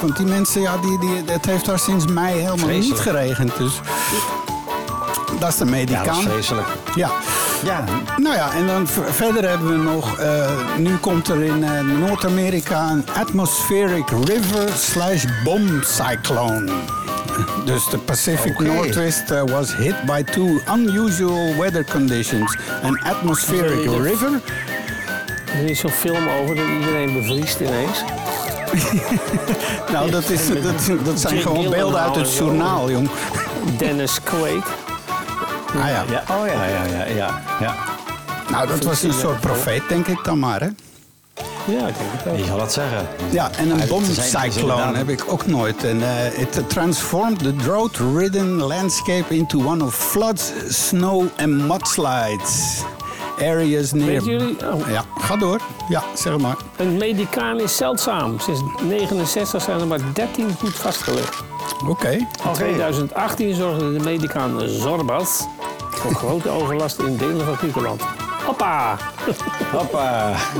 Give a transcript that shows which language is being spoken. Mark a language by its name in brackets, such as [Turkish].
[Dutch] Want die mensen, ja, het heeft daar sinds mei helemaal niet geregend. Dus dat is de Medicaan. Ja, dat is vreselijk. Ja. Ja. Nou ja, en dan verder hebben we nog... nu komt er in Noord-Amerika een atmospheric river / bomb cyclone. Dus de [English] Pacific Northwest was hit by two unusual weather conditions. An atmospheric river. [Dutch] Er is zo'n film over dat iedereen bevriest ineens. Nou, dat zijn gewoon beelden uit het journaal, jong. Dennis Quaid. Ah ja. Ja. Oh ja. Ja, ja, ja, ja. Nou, dat was een soort profeet, denk ik dan maar, hè? Ja, ik denk het ook. Ik zal dat zeggen. Ja, en een bomcyclone heb ik ook nooit. [English] En it transformed the drought-ridden landscape into one of floods, snow and mudslides. Areas near... [Dutch] Weet jullie... Oh. Ja, ga door. Ja, zeg maar. Een Medicaan is zeldzaam. Sinds 1969 zijn er maar 13 goed vastgelegd. Oké. Al 2018 zorgde de Medicaan Zorbas voor grote overlast in delen van Griekenland. Hoppa! Hoppa!